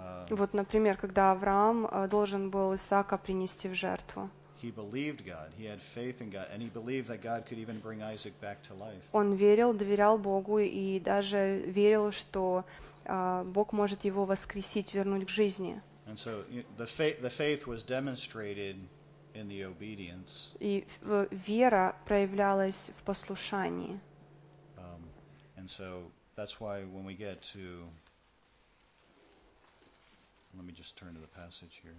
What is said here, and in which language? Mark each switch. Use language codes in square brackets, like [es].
[ru] Вот, например, когда Авраам должен был Исаака принести в жертву. [en] He believed God. He had faith in God, and he believed that God could even bring Isaac back to life. [ru] Он верил, доверял Богу, и даже верил, что Бог может его воскресить, вернуть к жизни. [en] And so the faith was demonstrated in the obedience. [ru] И вера проявлялась в послушании. [en] And so that's why when we get to, let me just turn to the passage here.